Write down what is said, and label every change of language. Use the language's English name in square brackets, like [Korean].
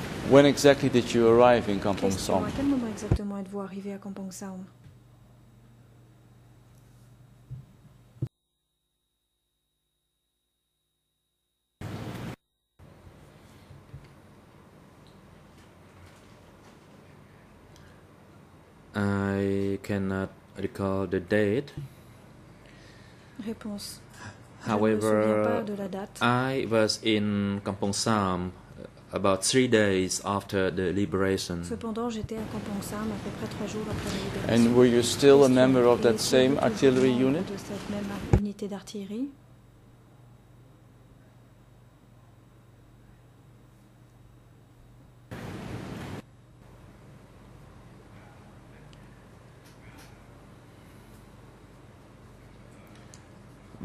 [English] When exactly did you arrive in Kampong Saum? [French] À quel moment exactement êtes-vous arrivé à Kampong Saum? [English] I cannot recall the date. [French] Réponse. [English] However, I was in Kampong Saum about 3 days after the liberation. [French] Cependant, j'étais à Kampong Saum à peu près 3 jours après la libération. [English] And were you still a member of that same artillery unit? [French] De cette même unité d'artillerie? Mm-hmm.